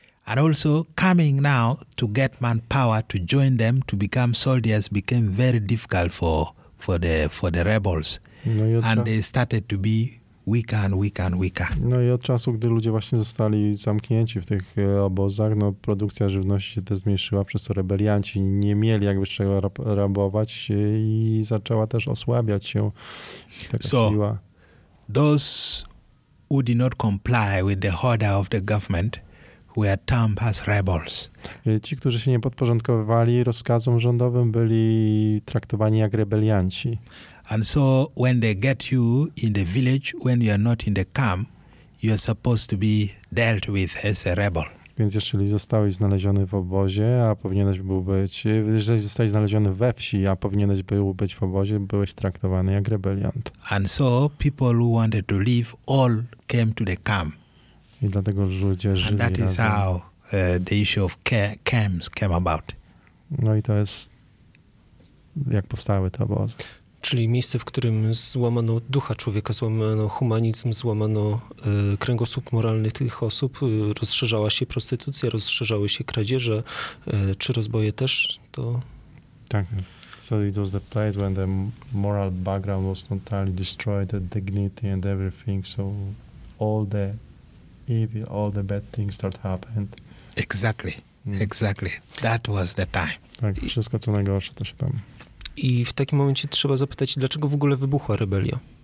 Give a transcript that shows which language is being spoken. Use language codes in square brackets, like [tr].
[en] And also coming now to get manpower to join them to become soldiers became very difficult for the rebels. No and they started to be weaker and weaker and weaker. [pl] No i od czasu, gdy ludzie właśnie zostali zamknięci w tych obozach, no produkcja żywności się też zmniejszyła, przez co rebelianci nie mieli jakby czego rabować i zaczęła też osłabiać się taka siła. [en] Those who did not comply with the order of the government were termed as rebels. [pl] Ci, którzy się nie podporządkowywali rozkazom rządowym, byli traktowani jak rebelianci. [en] And so when they get you in the village, when you are not in the camp, you are supposed to be dealt with as a rebel. [pl] Więc jeżeli zostałeś znaleziony w obozie, a powinieneś był być, jeżeli zostałeś znaleziony we wsi, a powinieneś był być w obozie, byłeś traktowany jak rebeliant. [en] And so people who wanted to leave all came to the camp. [pl] I dlatego ludzie żyli razem. [en] And that is how the issue of camps came about. [pl] No i to jest, jak powstały te obozy. Czyli miejsce, w którym złamano ducha człowieka, złamano humanizm, złamano kręgosłup moralny tych osób, rozszerzała się prostytucja, rozszerzały się kradzieże, czy rozboje też, to... [en] Tak, so it was the place when the moral background was totally destroyed, the dignity and everything, so all the evil, all the bad things that happened. Exactly, exactly, that was the time. [pl] Tak, wszystko co najgorsze to się tam... I w takim momencie trzeba zapytać, dlaczego w ogóle wybuchła rebelia?